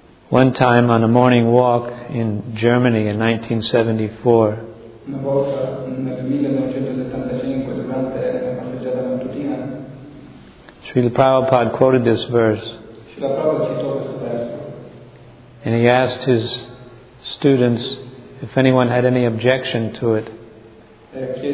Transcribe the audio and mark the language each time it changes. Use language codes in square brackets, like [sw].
[en] One time on a morning walk in Germany in 1974, Srila Prabhupada quoted this verse. [it] Srila Prabhupada citò questo verso. [en] And he asked his students if anyone had any objection to it.